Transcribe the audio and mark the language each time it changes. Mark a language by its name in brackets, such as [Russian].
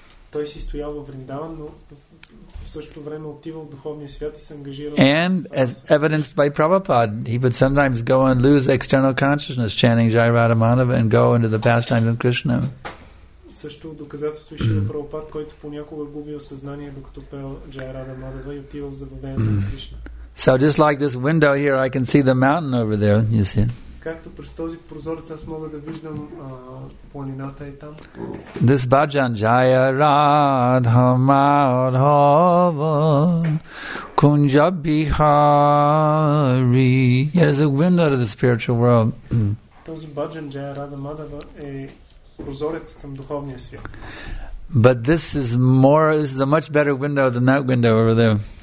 [Bulgarian] Той си стоял в Вриндаван, но същото време отивал в духовния свят и се ангажирал. [English] And as evidenced by Prabhupada, he would sometimes go and lose external consciousness chanting Jai Radha Madhava and go into the pastimes of Krishna. [Bulgarian] Също доказателство ще за Прабхупад, който понякога губил съзнание докато пел Jai Radha Madhava и отивал в забавление на Кришна. [English] So just like this window here, I can see the mountain over there, you see. [Bulgarian] Както през този прозорец аз мога да виждам планината е там. [English] This bhajan Jaya Radha Madhava, Kunja Bihari. Yeah, there's a wind out of the spiritual world. [Bulgarian] Този баджан джая рада мадава е прозорец към духовния свят. [English] But this is more, this is a much better window than that window over there.